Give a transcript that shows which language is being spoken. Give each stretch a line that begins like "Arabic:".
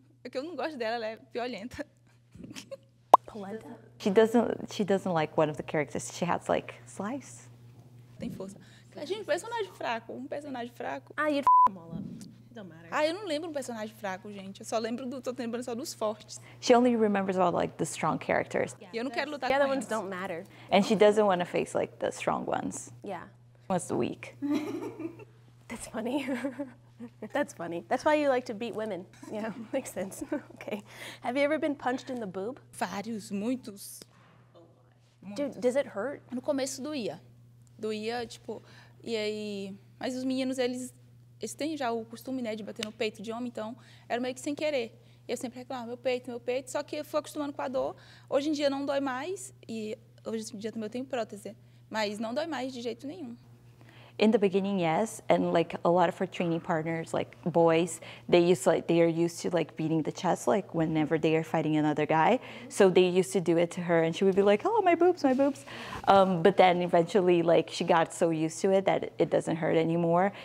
Portuguese: Que eu não gosto dela, ela é violenta. Polenta?
English: She doesn't like one of the characters. She has like slice.
Portuguese: Tem força. Gente, personagem fraco. Personagem fraco.
English: Ah, you'd f*** them all up.
Portuguese: Ah, eu não lembro um personagem fraco, gente. Eu só lembro do, tô lembrando só dos fortes.
English: She only remembers all like the strong characters.
Portuguese: Yeah, e eu não quero lutar com eles.
English: The other ones don't matter. And she doesn't want to face like the strong ones. Yeah. She wants the weak. That's funny. That's funny. That's why you like to beat women. Yeah, makes sense. Okay. Have you ever been punched in the boob?
Portuguese: Vários, muitos.
English: Dude, does it hurt?
Portuguese: No começo doía. Doía, tipo, e aí... Mas os meninos, eles... Eles têm já o costume, né, de bater no peito de homem, então era meio que sem querer. E eu sempre reclamava, meu peito. Só que eu fui acostumando com a dor. Hoje em dia não dói mais. E hoje em dia também eu tenho prótese. Mas não dói mais de jeito nenhum.
English: In the beginning, yes. And like a lot of our training partners, like boys, they are used to like beating the chest, like whenever they are fighting another guy. So they used to do it to her and she would be like, oh, my boobs. But then eventually, like she got so used to it that it doesn't hurt anymore.